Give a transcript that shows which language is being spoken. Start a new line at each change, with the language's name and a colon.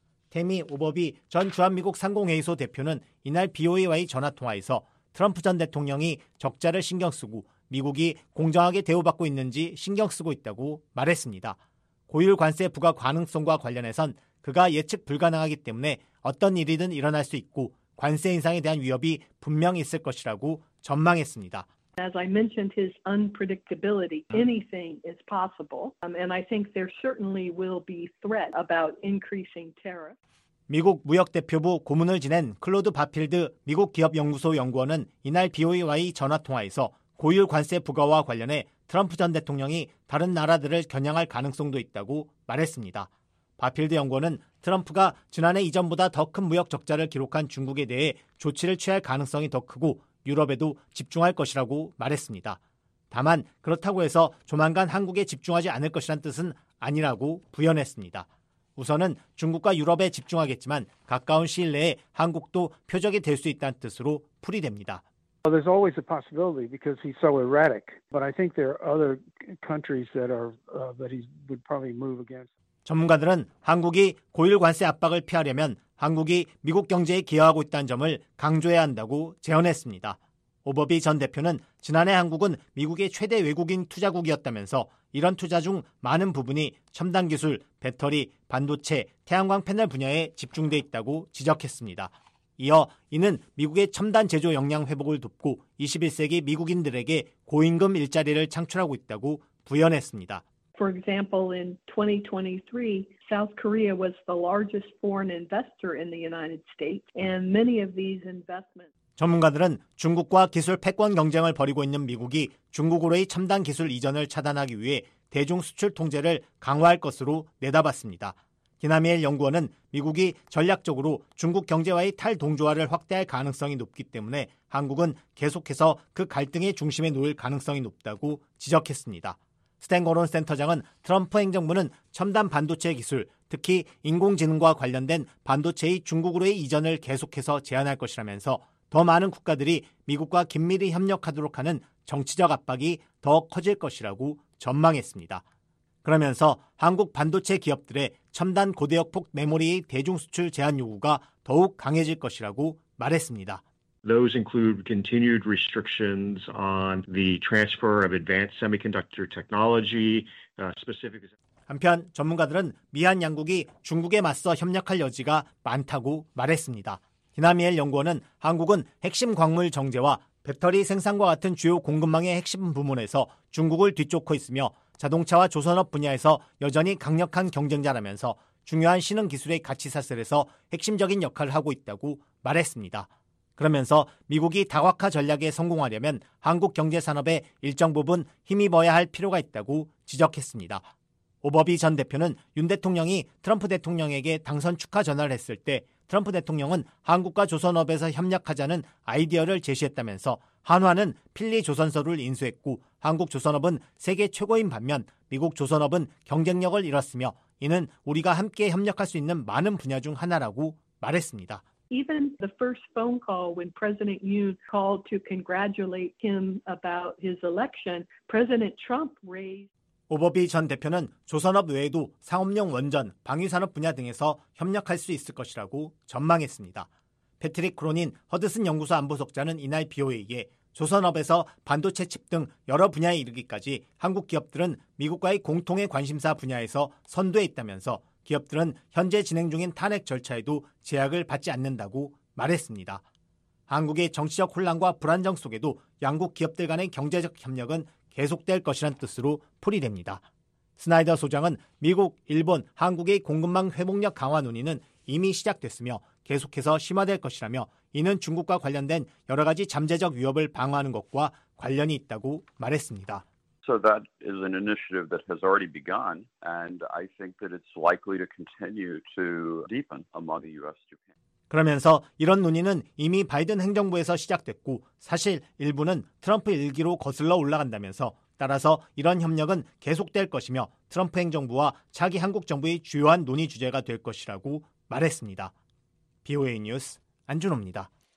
Korean: 태미 오버비 전 주한미국 상공회의소 대표는 이날 BOA와의 전화통화에서 트럼프 전 대통령이 적자를 신경 쓰고 미국이 공정하게 대우받고 있는지 신경 쓰고 있다고 말했습니다. 고율 관세 부과 가능성과 관련해선 그가 예측 불가능하기 때문에 어떤 일이든 일어날 수 있고 관세 인상에 대한 위협이 분명 있을 것이라고 전망했습니다.
English: As I mentioned, his unpredictability, anything is possible. And I think there certainly will be threat about increasing tariffs.
Korean: 미국 무역대표부 고문을 지낸 클로드 바필드 미국 기업연구소 연구원은 이날 BOE와의 전화통화에서 고율 관세 부과와 관련해 트럼프 전 대통령이 다른 나라들을 겨냥할 가능성도 있다고 말했습니다. 바필드 연구원은 트럼프가 지난해 이전보다 더 큰 무역 적자를 기록한 중국에 대해 조치를 취할 가능성이 더 크고 유럽에도 집중할 것이라고 말했습니다. 다만 그렇다고 해서 조만간 한국에 집중하지 않을 것이란 뜻은 아니라고 부연했습니다. 우선은 중국과 유럽에 집중하겠지만 가까운 시일 내에 한국도 표적이 될 수 있다는 뜻으로 풀이됩니다.
English: Well, there's always a possibility because he's so erratic, but I think there are other countries that are that he would probably move against.
Korean: 전문가들은 한국이 고율 관세 압박을 피하려면 한국이 미국 경제에 기여하고 있다는 점을 강조해야 한다고 제언했습니다. 오버비 전 대표는 지난해 한국은 미국의 최대 외국인 투자국이었다면서 이런 투자 중 많은 부분이 첨단 기술, 배터리, 반도체, 태양광 패널 분야에 집중돼 있다고 지적했습니다. 이어 이는 미국의 첨단 제조 역량 회복을 돕고 21세기 미국인들에게 고임금 일자리를 창출하고 있다고 부연했습니다.
English: For example, in 2023, South Korea was the largest foreign investor in the United States, and many of these investments.
Korean: 전문가들은 중국과 기술 패권 경쟁을 벌이고 있는 미국이 중국으로의 첨단 기술 이전을 차단하기 위해 대중 수출 통제를 강화할 것으로 내다봤습니다. 디나미엘 연구원은 미국이 전략적으로 중국 경제와의 탈동조화를 확대할 가능성이 높기 때문에 한국은 계속해서 그 갈등의 중심에 놓일 가능성이 높다고 지적했습니다. 스탠거론 센터장은 트럼프 행정부는 첨단 반도체 기술, 특히 인공지능과 관련된 반도체의 중국으로의 이전을 계속해서 제안할 것이라면서 더 많은 국가들이 미국과 긴밀히 협력하도록 하는 정치적 압박이 더 커질 것이라고 전망했습니다. 그러면서 한국 반도체 기업들의 첨단 고대역폭 메모리의 대중 수출 제한 요구가 더욱 강해질 것이라고 말했습니다.
English: Those include continued restrictions on the transfer of advanced semiconductor technology, specifically.
Korean: 한편 전문가들은 미한 양국이 중국에 맞서 협력할 여지가 많다고 말했습니다. 디나미엘 연구원은 한국은 핵심 광물 정제와 배터리 생산과 같은 주요 공급망의 핵심 부문에서 중국을 뒤쫓고 있으며 자동차와 조선업 분야에서 여전히 강력한 경쟁자라면서 중요한 신흥 기술의 가치 사슬에서 핵심적인 역할을 하고 있다고 말했습니다. 그러면서 미국이 다각화 전략에 성공하려면 한국 경제 산업의 일정 부분 힘입어야 할 필요가 있다고 지적했습니다. 오버비 전 대표는 윤 대통령이 트럼프 대통령에게 당선 축하 전화를 했을 때 트럼프 대통령은 한국과 조선업에서 협력하자는 아이디어를 제시했다면서 한화는 필리 조선소를 인수했고 한국 조선업은 세계 최고인 반면 미국 조선업은 경쟁력을 잃었으며 이는 우리가 함께 협력할 수 있는 많은 분야 중 하나라고 말했습니다.
English: Even the first phone call when President Yoon called to congratulate him about his election, President Trump raised
Korean: 오버비 전 대표는 조선업 외에도 상업용 원전, 방위산업 분야 등에서 협력할 수 있을 것이라고 전망했습니다. 패트릭 크로닌 허드슨 연구소 안보석자는 이날 BOA에 조선업에서 반도체 칩 등 여러 분야에 이르기까지 한국 기업들은 미국과의 공통의 관심사 분야에서 선두에 있다면서 기업들은 현재 진행 중인 탄핵 절차에도 제약을 받지 않는다고 말했습니다. 한국의 정치적 혼란과 불안정 속에도 양국 기업들 간의 경제적 협력은 계속될 것이란 뜻으로 풀이됩니다. 스나이더 소장은 미국, 일본, 한국의 공급망 회복력 강화 논의는 이미 시작됐으며 계속해서 심화될 것이라며 이는 중국과 관련된 여러 가지 잠재적 위협을 방어하는 것과 관련이 있다고 말했습니다.
English: So that is an initiative that has already begun and I think that it's likely to continue to deepen among the US and Japan.
Korean: 그러면서 이런 논의는 이미 바이든 행정부에서 시작됐고 사실 일부는 트럼프 일기로 거슬러 올라간다면서 따라서 이런 협력은 계속될 것이며 트럼프 행정부와 차기 한국 정부의 주요한 논의 주제가 될 것이라고 말했습니다. BOA 뉴스 안준호입니다.